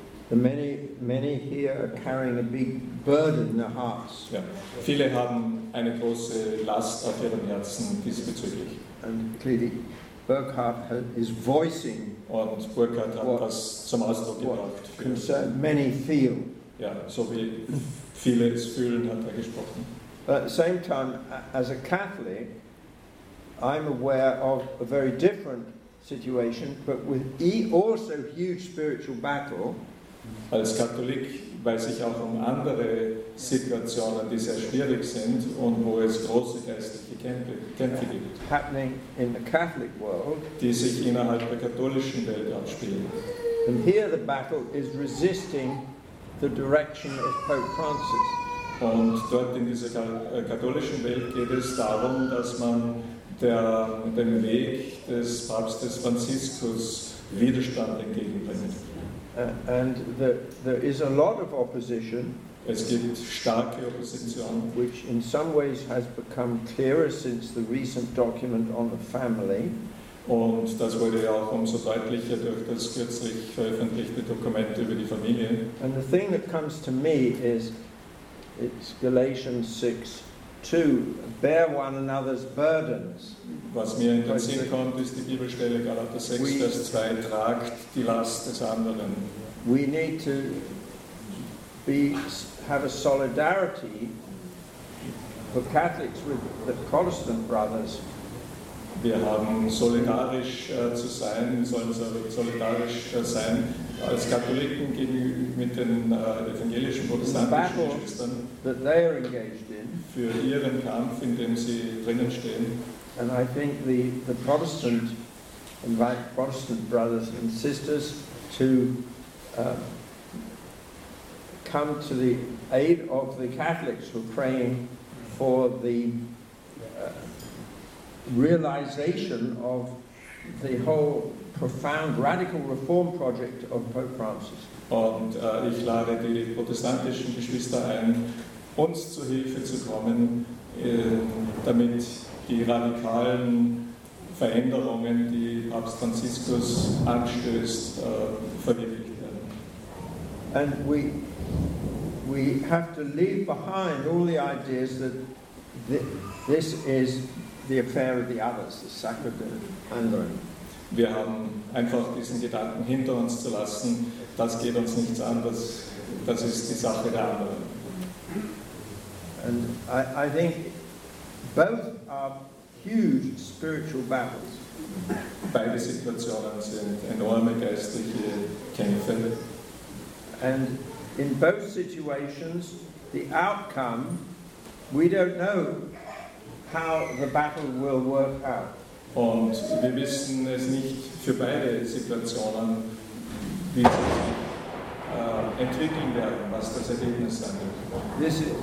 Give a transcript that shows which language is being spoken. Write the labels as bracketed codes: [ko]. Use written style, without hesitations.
[en] The many, many here are carrying a big burden in their hearts. [de] Ja. Viele haben eine große Last auf ihrem Herzen diesbezüglich. [en] And clearly, Burkhardt is voicing [de] und Burkhardt hat [en] what, [de] das zum Ausdruck gebracht. [en] Concern many feel. [de] Ja, so wie viele es fühlen, hat er gesprochen. [en] But at the same time, as a Catholic, I'm aware of a very different situation, but with also huge spiritual battle. [de] Als Katholik weiß ich auch um andere Situationen, die sehr schwierig sind und wo es große geistliche Kämpfe gibt. [en] Happening in the Catholic world. [de] Die sich innerhalb der katholischen Welt abspielen. [en] And here the battle is resisting the direction of Pope Francis. [de] Und dort in dieser katholischen Welt geht es darum, dass man dem Weg des Papstes Franziskus Widerstand entgegenbringt. [en] And there is a lot of opposition. [de] Es gibt starke Opposition, [en] which in some ways has become clearer since the recent document on the family. [de] Und das wurde ja auch umso deutlicher durch das kürzlich veröffentlichte Dokument über die Familie. [en] And the thing that comes to me is, it's Galatians 6:2, bear one another's burdens. [de] Was mir in den Sinn kommt, ist die Bibelstelle Galater 6, Vers 2, tragt die Last des anderen. [en] We need to have a solidarity for Catholics with the Protestant brothers. [de] Wir haben solidarisch zu sein, wir sollen solidarisch sein als Katholiken mit den evangelischen protestantischen Geschwistern [en] that they are engaged in, [de] für ihren Kampf, in dem sie drinnen stehen. [en] And I think the Protestant invite Protestant brothers and sisters to come to the aid of the Catholics who are praying for the realization of the whole profound radical reform project of Pope Francis. [de] Und ich lade die protestantischen Geschwister ein, uns zu Hilfe zu kommen, damit die radikalen Veränderungen, die Papst Franziskus anstößt, verwirklicht werden. [en] And we have to leave behind all the ideas that this is the affair of the others, the sacrament of [de] anderen. Wir haben einfach diesen Gedanken hinter uns zu lassen, das geht uns nichts an, das ist die Sache der anderen. [en] And I think both are huge spiritual battles. [de] Beide Situationen sind enorme geistliche Kämpfe. [en] And in both situations, the outcome, we don't know how the battle will work out. [de] Und wir wissen es nicht für beide Situationen, wie sie entwickeln werden, was das Ergebnis sein wird.